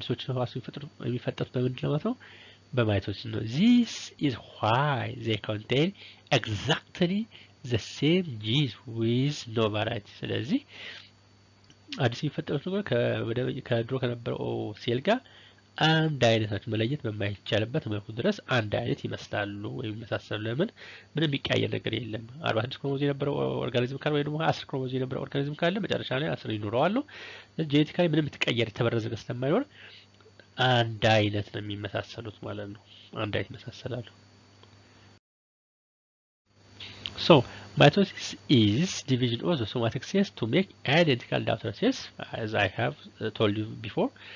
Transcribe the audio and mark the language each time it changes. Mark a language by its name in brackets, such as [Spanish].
[Amharic] አዲሶች ህዋሱ የሚፈጠሩት በምንድን ነው ማለት ነው? በማይቶሲስ ነው። [English] this is why they contain exactly the same genes with no variety. [Amharic] ስለዚህ አዲስ የሚፈጠሩት ነገር ከድሮ ከነበረው ሴል ጋር አንድ አይነት ናቸው። መለየት በማይቻልበት መልኩ ድረስ አንድ አይነት ይመስላሉ ወይም ይመሳሰሉ። ለምን? ምንም የሚቀያየር ነገር የለም። 46 ክሮሞዞም የነበረው ኦርጋኒዝም ካለ ወይ ደግሞ 10 ክሮሞዞም የነበረው ኦርጋኒዝም ካለ መጨረሻ ላይ 10 ይኖረዋል። ጄኔቲካሊ ምንም የተቀየረ የተበረዘ ነገር ስለማይኖር አንድ አይነት ነው የሚመሳሰሉት ማለት ነው። አንድ አይነት ይመሳሰላሉ። [English] so mitosis is division of the somatic cells to make identical daughter cells as I have told you before.